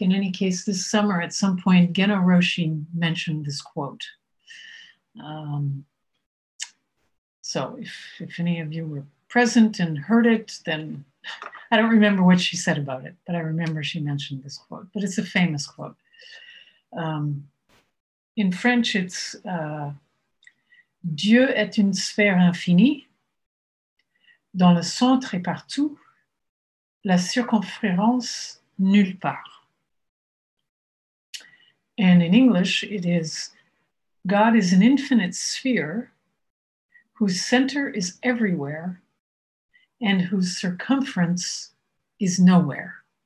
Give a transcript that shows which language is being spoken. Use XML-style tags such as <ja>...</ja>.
<en>In any case, this summer at some point, Geno Roshi mentioned this quote. So if any of you were present and heard it, then I don't remember what she said about it, but I remember she mentioned this quote, but it's a famous quote. In French, it's</en> <fr>Dieu est une sphère infinie, dans le centre et partout, la circonférence nulle part.</fr> <en>And in English, it is, God is an infinite sphere whose center is everywhere and whose circumference is nowhere.</en>